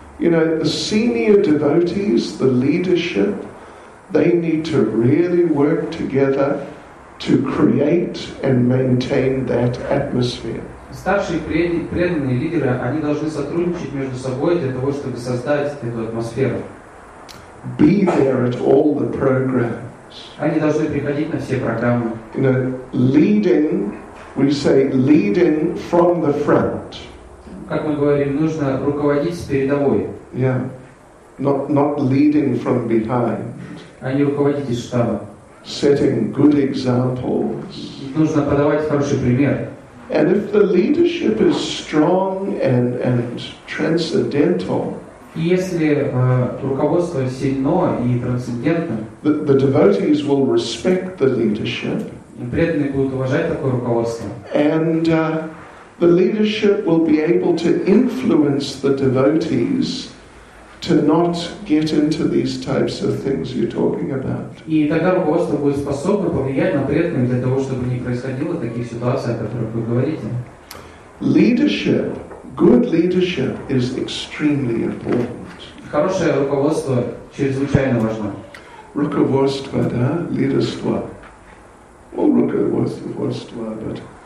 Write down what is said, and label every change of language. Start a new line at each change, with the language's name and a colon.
English: You know, the senior devotees, the leadership, they need to really work together to create and maintain that atmosphere.
Russian: Старшие преданные лидеры, они должны сотрудничать между собой для того, чтобы создать эту атмосферу.
English: Be there at all the programs.
Russian: Они должны приходить на все программы.
English: You know, leading, we say leading from the front.
Russian: Как мы говорим, нужно руководить с передовой.
English: Yeah. Not leading from behind.
Russian: А не руководить из штаба.
English: Setting good examples.
Russian: Нужно подавать хороший пример.
English: And if the leadership is strong and transcendental,
Russian: если руководство сильно и трансцендентно,
English: the devotees will respect the leadership.
Russian: Преданные будут уважать такое руководство.
English: And the leadership will be able to influence the devotees to not get into these types of things you're talking about.
Russian: И тогда руководство будет способно повлиять на преданных для того, чтобы не происходило таких ситуаций, о которых вы говорите.
English: Leadership, good leadership is extremely important.
Russian: Хорошее руководство чрезвычайно важно. Руководство, да? Лидерство. Well, руководство, but...